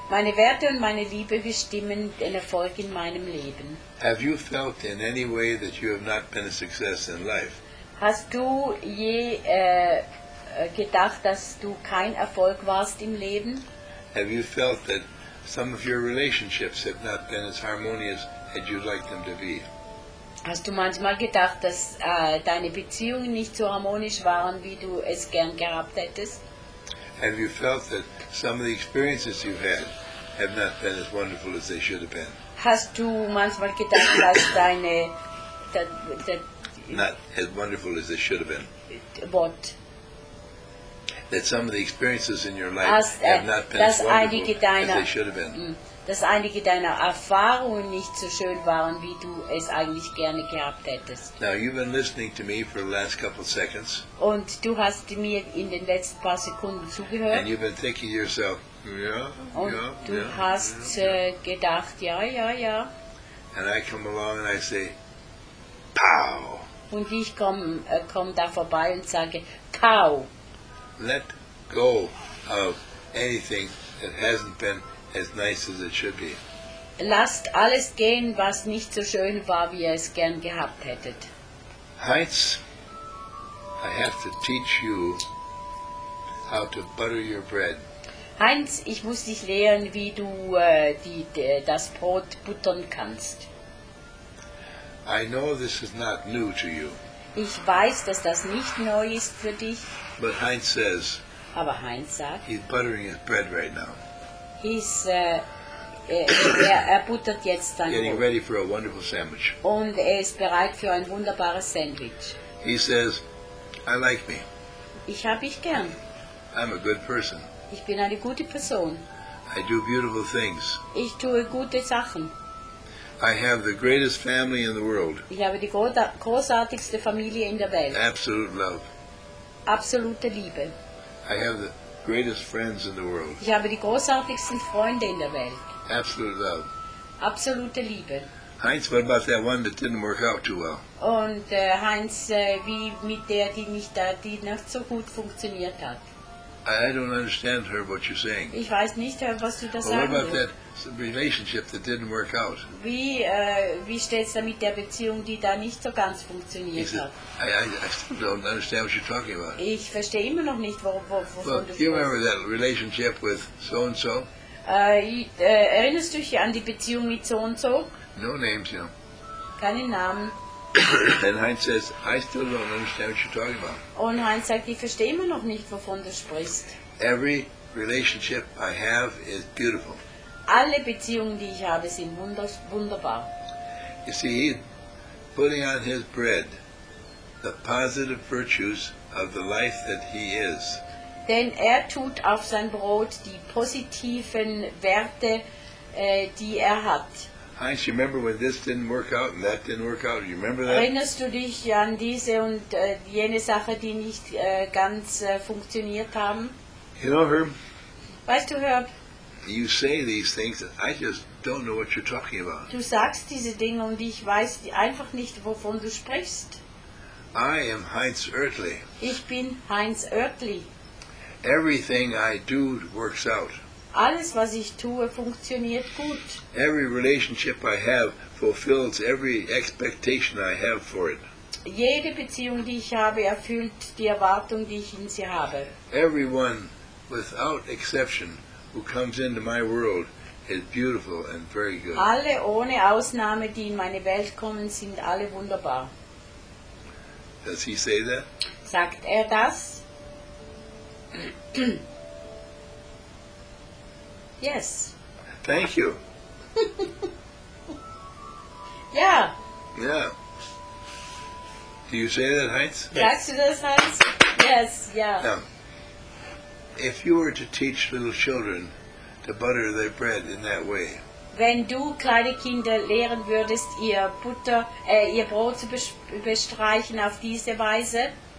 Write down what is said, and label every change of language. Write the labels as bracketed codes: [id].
[de] meine Werte und meine Liebe bestimmen den Erfolg in meinem Leben. [en] Have you felt in any way that you have not been a success in life? [de] Hast du je gedacht, dass du kein Erfolg warst im Leben? [en] Have you felt that some of your relationships have not been as harmonious as you'd like them to be? [de] Hast du manchmal gedacht, dass deine Beziehungen nicht so harmonisch waren, wie du es gern gehabt hättest? [en] Have you felt that some of the experiences you had have not been as wonderful as they should have been? [de] Hast du manchmal gedacht, dass deine [en] not as wonderful as they should have been? What? That some of the experiences in your life have not been as wonderful as they should have been. [de] Dass einige deiner Erfahrungen nicht so schön waren, wie du es eigentlich gerne gehabt hättest. [en] Now you've been listening to me for the last couple seconds. [de] Und du hast mir in den letzten paar Sekunden zugehört. [en] And you've been thinking to yourself, yeah, [de] und [en] yeah, [de] du [en] yeah, [de] hast [en] yeah, yeah. [de] Gedacht, ja, ja, ja. [en] And I come along and I say, pow. [de] Und ich komm da vorbei und sage, pow. [en] Let go of anything that hasn't been as nice as it should be. [de] Lasst alles gehen, was nicht so schön war, wie ihr es gern gehabt hättet. [en] Heinz, I have to teach you how to butter your bread. [de] Heinz, ich muss dich lehren, wie du das Brot buttern kannst. [en] I know this is not new to you. [de] Ich weiß, dass das nicht neu ist für dich. [en] But Heinz says, [de] aber Heinz sagt, [en] he's buttering his bread right now. [de] Er buttert jetzt sein [en] getting Brot. Ready for a wonderful sandwich. [de] Und ist bereit für ein wunderbares Sandwich. [en] He says, I like me. [de] Ich habe ich gern. [en] I'm a good person. [de] Ich bin eine gute Person. [en] I do beautiful things. [de] Ich tue gute Sachen. [en] I have the greatest family in the world. [de] Ich habe die großartigste Familie in der Welt. [en] Absolute love. [de] Absolute Liebe. [en] I have the greatest friends in the world. [de] Ich habe die großartigsten Freunde in der Welt. [en] Absolute love. [de] Absolute Liebe. [en] Heinz, what about that one that didn't work out too well? [de] Und Heinz, wie mit der, die nicht da, die nicht so gut funktioniert hat. [en] I don't understand her, what you're saying. [de] Ich weiß nicht, was du da sagst. [en] What about that relationship that didn't work out? [de] Wie steht's da mit der Beziehung, die da nicht so ganz funktioniert hat? [en] I still don't understand what you're talking about. [de] Ich verstehe immer noch nicht, wovon du sprichst. [en] Do you remember that relationship with so-and-so? [de] Erinnerst du dich an die Beziehung mit so-and-so? [en] No names, you know. [de] Keine Namen. [en] And Heinz says, I still don't understand what you're talking about. [de] Und Heinz sagt, ich verstehe immer noch nicht, wovon du sprichst. [en] Every relationship I have is beautiful. [de] Alle Beziehungen, die ich habe, sind wunderbar. [en] You see, he's putting on his bread the positive virtues of the life that he is. [de] Denn tut auf sein Brot die positiven Werte, die hat. [en] Heinz, you remember when this didn't work out and that didn't work out? You remember that? [de] Erinnerst du dich an diese und jene Sache, die nicht ganz funktioniert haben? [en] You know, Herb? [de] Weißt du, Herb? [en] You say these things, I just don't know what you're talking about. [de] Du sagst diese Dinge und ich weiß einfach nicht, wovon du sprichst. [en] I am Heinz Oertli. [de] Ich bin Heinz Oertli. [en] Everything I do works out. [de] Alles, was ich tue, funktioniert gut. [en] Every relationship I have fulfills every expectation I have for it. [de] Jede Beziehung, die ich habe, erfüllt die Erwartung, die ich in sie habe. [en] Everyone, without exception, who comes into my world is beautiful and very good. [de] Alle ohne Ausnahme, die in meine Welt kommen, sind alle wunderbar. [en] Does he say that? [de] Sagt das? [en] Yes. Thank you. Yeah. Yeah. Do you say that, Heinz? Yes. [de] Sagst du das, Heinz? [en] Yes, yeah. Now, if you were to teach little children to butter their bread in that way. [de] Wenn du kleine Kinder lehren würdest, ihr Brot zu bestreichen auf diese Weise.